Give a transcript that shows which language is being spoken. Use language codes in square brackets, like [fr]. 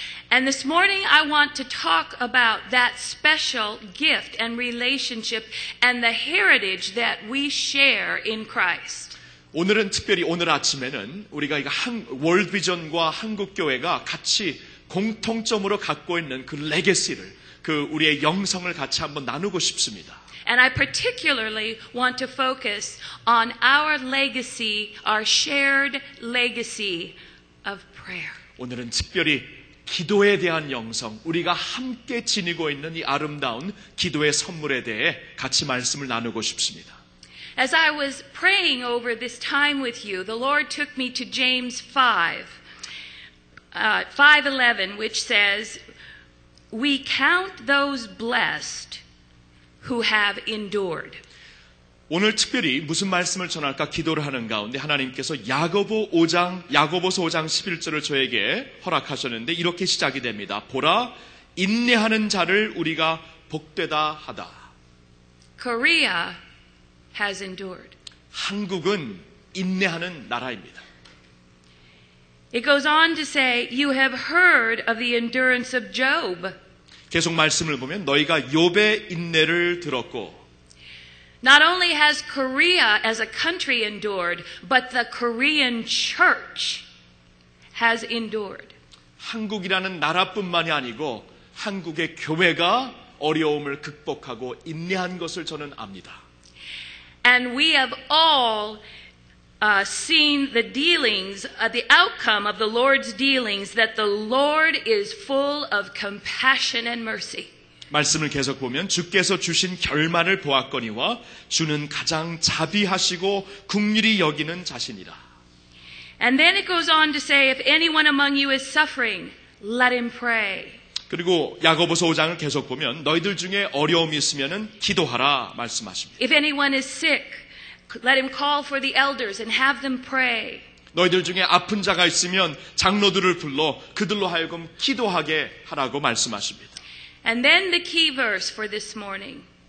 [en] And this morning I want to talk about that special gift and relationship and the heritage that we share in Christ. [ko] 오늘은 특별히 오늘 아침에는 우리가 월드 비전과 한국 교회가 같이 공통점으로 갖고 있는 그 레거시를 그 우리의 영성을 같이 한번 나누고 싶습니다. [en] And I particularly want to focus on our legacy, our shared legacy of prayer. [ko] 오늘은 특별히 기도에 대한 영성, 우리가 함께 지니고 있는 이 아름다운 기도의 선물에 대해 같이 말씀을 나누고 싶습니다. [en] As I was praying over this time with you, the Lord took me to James 5:11, which says, "We count those blessed who have endured." [ko] 오늘 특별히 무슨 말씀을 전할까 기도를 하는 가운데 하나님께서 야고보서 5장 11절을 저에게 허락하셨는데 이렇게 시작이 됩니다. 보라, 인내하는 자를 우리가 복되다 하다. [en] Korea has endured. [ko] 한국은 인내하는 나라입니다. [en] It goes on to say, "You have heard of the endurance of Job." [ko] 계속 말씀을 보면 너희가 욥의 인내를 들었고. [en] Not only has Korea as a country endured, but the Korean church has endured. [ko] 한국이라는 나라뿐만이 아니고 한국의 교회가 어려움을 극복하고 인내한 것을 저는 압니다. [en] And we have all seen the dealings, the outcome of the Lord's dealings, that the Lord is full of compassion and mercy. [ko] 말씀을 계속 보면 주께서 주신 결말을 보았거니와 주는 가장 자비하시고 긍휼히 여기는 자신이라. [en] And then it goes on to say, if anyone among you is suffering, let him pray. [ko] 그리고 야고보서 5장을 계속 보면 너희들 중에 어려움이 있으면은 기도하라 말씀하십니다. [en] If anyone is sick, let him call for the elders and have them pray. [ko] 너희들 중에 아픈 자가 있으면 장로들을 불러 그들로 하여금 기도하게 하라고 말씀하십니다. [en] And then the key verse for this morning.